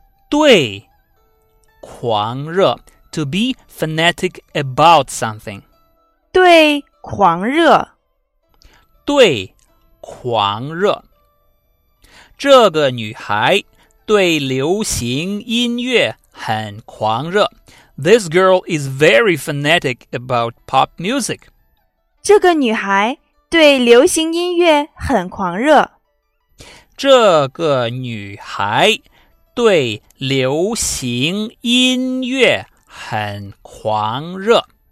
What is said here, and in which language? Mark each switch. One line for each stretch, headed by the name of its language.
Chinese: 对狂热
English: To be fanatic about something.
Chinese: 对狂热对狂热这个女孩对流行音乐很狂热。
English: This girl is very fanatic about pop music.
Chinese: 这个女孩对流行音乐很狂热。这个女孩对流行音乐很狂热。